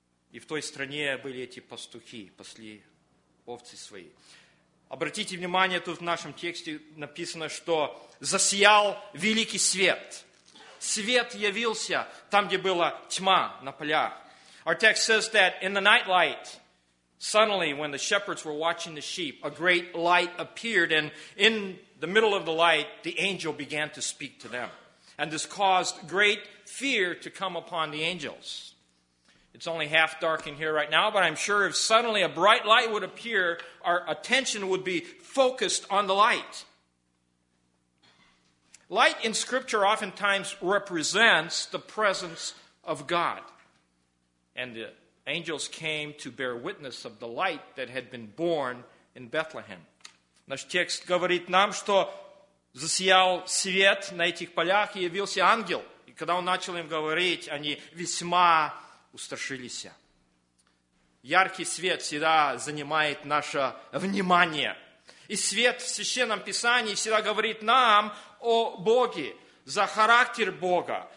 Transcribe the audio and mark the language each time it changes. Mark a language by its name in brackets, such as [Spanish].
[Russian] И в той стране были эти пастухи, пасли овцы свои. Обратите внимание, тут в нашем тексте написано, что засиял великий свет. Свет явился там, где была тьма на полях. [English] Our text says that in the night light, suddenly when the shepherds were watching the sheep, a great light appeared, and in the middle of the light, the angel began to speak to them. And this caused great fear to come upon the angels. It's only half dark in here right now, but I'm sure if suddenly a bright light would appear, our attention would be focused on the light. Light in Scripture oftentimes represents the presence of God. And the angels came to bear witness of the light that had been born in Bethlehem. [Russian] Наш текст говорит нам, что засиял свет на этих полях и явился ангел. И когда он начал им говорить, они весьма устрашились. Яркий свет всегда занимает наше внимание. И свет в Священном Писании всегда говорит нам о Боге, за характер Бога.